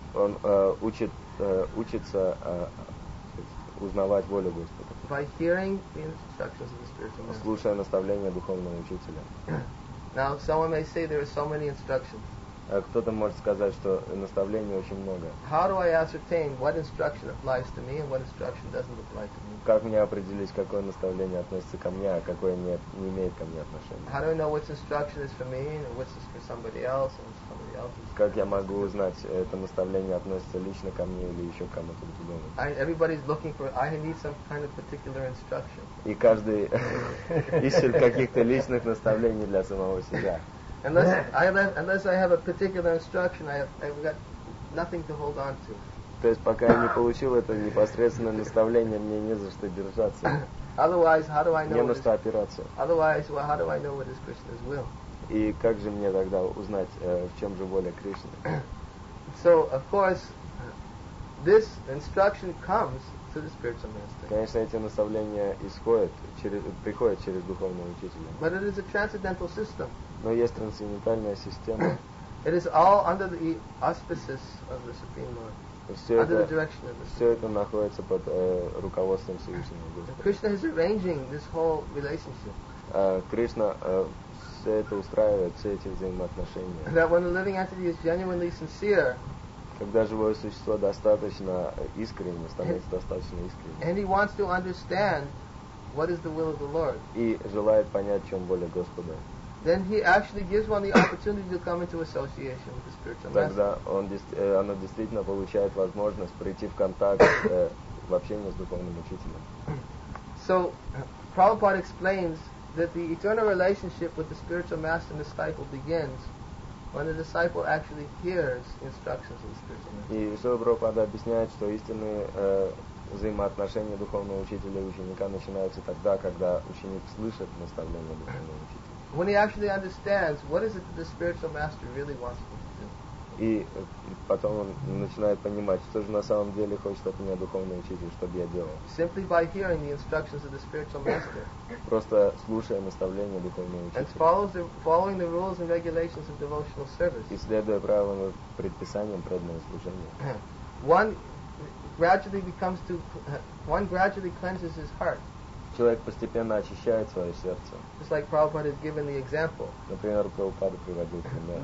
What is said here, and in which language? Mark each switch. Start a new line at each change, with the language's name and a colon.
Russian: Он учится узнавать волю Господа.
English: By hearing the instructions of the spiritual master.
Russian: Слушая наставления духовного учителя.
English: Now someone may say there are so many instructions.
Russian: Кто-то может сказать, что наставлений очень много.
English: How do I ascertain what instruction applies to me and what instruction doesn't apply to me?
Russian: Как мне определить, какое наставление относится ко мне, а какое не имеет ко мне отношения?
English: How do I know which instruction is for me and which is for somebody else and somebody else's?
Russian: Как я могу узнать, это наставление относится лично ко мне или еще кому-то другому?
English: Everybody's looking for. I need some kind of particular instruction.
Russian: И каждый ищет каких-то личных наставлений для самого себя.
English: Unless I have a particular instruction, I've got nothing to hold on to.
Russian: То есть пока я не получил это непосредственное наставление, мне не за что держаться.
English: Otherwise, how do I know?
Russian: Не на что опираться.
English: Otherwise, well, how do I know what is Krishna's will?
Russian: И как же мне тогда узнать, в чем же воля Кришны?
English: So, of course, this instruction comes to the spiritual master.
Russian: Конечно, эти наставления приходят через духовного учителя.
English: But it is a transcendental system.
Russian: Но есть трансцендентальная система.
English: It is all under the auspices of the Supreme Lord.
Russian: Все это находится под руководством Всевышнего Господа.
English: Krishna is arranging this whole relationship.
Russian: Кришна все это устраивает, все эти взаимоотношения.
English: That when a living entity is genuinely sincere,
Russian: когда живое существо достаточно искренне, становится достаточно искренним.
English: And he wants to understand what is the will of the Lord.
Russian: И желает понять, в чем воля Господа.
English: Then he actually gives one the opportunity to come into association with the spiritual master.
Russian: Тогда оно действительно получает возможность прийти в контакт в общение с духовным учителем.
English: So, Prabhupada explains that the eternal relationship with the spiritual master and the disciple begins when the disciple actually hears instructions of the spiritual master.
Russian: И Шрила Прабхупада объясняет, что истинные взаимоотношения духовного учителя и ученика начинаются тогда, когда ученик слышит наставления духовного учителя.
English: When he actually understands what is it that the spiritual master really wants him to do.
Russian: И потом он начинает понимать, что же на самом деле хочет от меня духовный учитель, чтобы я делал.
English: Simply by hearing the instructions of the spiritual master.
Russian: Просто слушая наставления духовного учителя.
English: And following the rules and regulations of devotional service.
Russian: И следуя правилам и предписаниям преданного служения.
English: One gradually becomes to one gradually cleanses his heart.
Russian: Человек постепенно очищает свое сердце.
English: Just like Prabhupada has given the example.
Russian: Например, Прабхупада приводил пример.